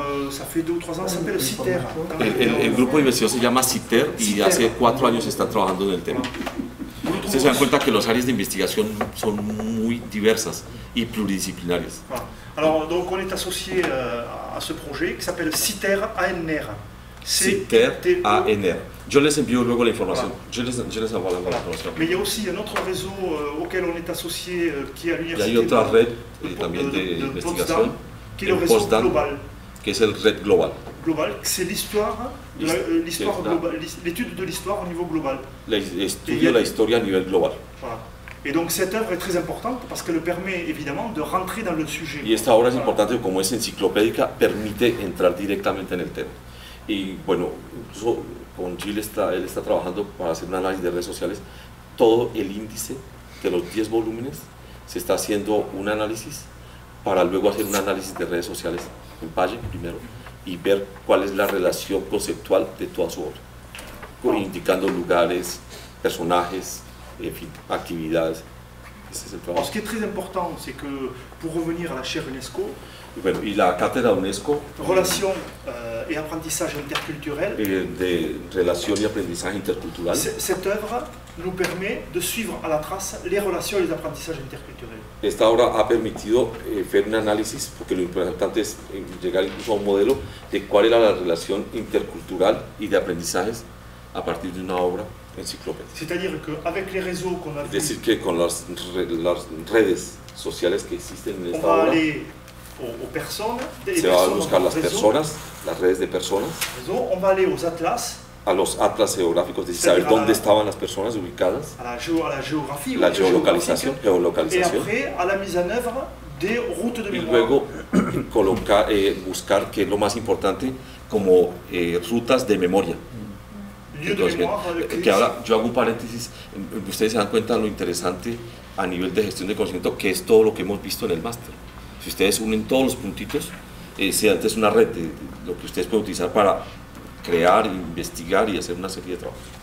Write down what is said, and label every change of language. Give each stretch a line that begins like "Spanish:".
French: Ça fait 2 ou 3 ans, ça s'appelle CITER.
Spanish: El grupo de investigación se llama CITER y hace 4 años está trabajando en el tema. Ustedes se dan cuenta que las áreas de investigación son muy diversas y pluridisciplinarias.
French: Alors, donc, on est associé à ce projet qui s'appelle CITER ANR. CITER ANR. Je les envoie
Spanish: luego la información.
French: Je les envoie
Spanish: la información.
French: Mais il y a aussi un autre réseau auquel on est associé qui est à l'université.
Spanish: Y hay otra red también de investigación.
French: Qui est le réseau Potsdam, global.
Spanish: Que es el red global.
French: Global, c'est l'histoire, l'histoire globale, l'étude de l'histoire au niveau global.
Spanish: Estudio la historia a nivel global.
French: Et donc cette œuvre est très importante parce qu'elle permet évidemment de rentrer dans le sujet.
Spanish: Y esta obra es importante como es enciclopédica, permite entrar directamente en el tema. Y bueno, incluso con Gil él está trabajando para hacer un análisis de redes sociales. Todo el índice de los 10 volúmenes se está haciendo un análisis para luego hacer un análisis de redes sociales en Page primero y ver cuál es la relación conceptual de toda su obra, indicando lugares, personajes, en fin, actividades.
French: Ce qui est très important, c'est que pour revenir à la chaire UNESCO,
Spanish: bueno, y la cátedra UNESCO,
French: relations et apprentissage interculturel,
Spanish: de relación y aprendizaje intercultural,
French: cette œuvre nous permet de suivre à la trace les relations et les apprentissages interculturels.
Spanish: Esta obra ha permitido
French: faire
Spanish: un análisis, porque lo importante es llegar incluso a un modelo de cuál era la relación intercultural y de aprendizajes a partir de una obra.
French: C'est-à-dire qu'avec les réseaux qu'on a vus, c'est-à-dire que
Spanish: con las redes sociales que existen en esta
French: on va aller aux personnes,
Spanish: se va a buscar las personas, las redes de personas.
French: On va aller aux atlas,
Spanish: a los atlas geográficos, de saber dónde estaban las personas ubicadas,
French: a la géographie,
Spanish: la geolocalización,
French: et après à la mise en œuvre des routes de mémoire.
Spanish: Y luego colocar, buscar que es lo más importante como rutas de memoria. Entonces, que ahora yo hago un paréntesis, ustedes se dan cuenta de lo interesante a nivel de gestión de conocimiento, que es todo lo que hemos visto en el máster. Si ustedes unen todos los puntitos, sea antes una red de lo que ustedes pueden utilizar para crear, investigar y hacer una serie de trabajos.